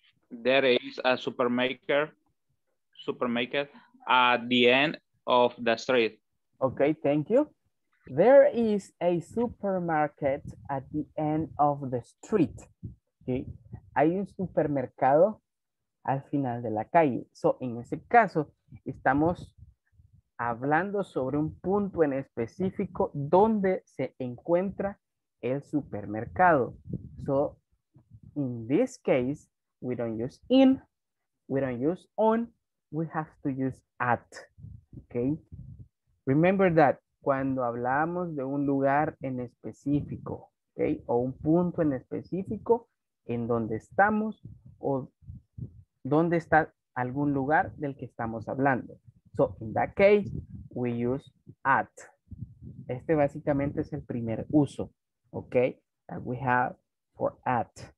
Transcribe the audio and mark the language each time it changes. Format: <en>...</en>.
<en>There is a supermarket at the end of the street. Okay, thank you. There is a supermarket at the end of the street.</en> <es>Okay. Hay un supermercado al final de la calle. So, en ese caso, estamos hablando sobre un punto en específico donde se encuentra el supermercado.</es> <en>So, in this case, we don't use in, we don't use on, we have to use at. Okay. Remember that.</en> <es>Cuando hablamos de un lugar en específico, okay, o un punto en específico en donde estamos o donde está algún lugar del que estamos hablando.</es> <en>So, in that case, we use at.</en> <es>Este básicamente es el primer uso,</es> <en>okay, that we have for at.</en>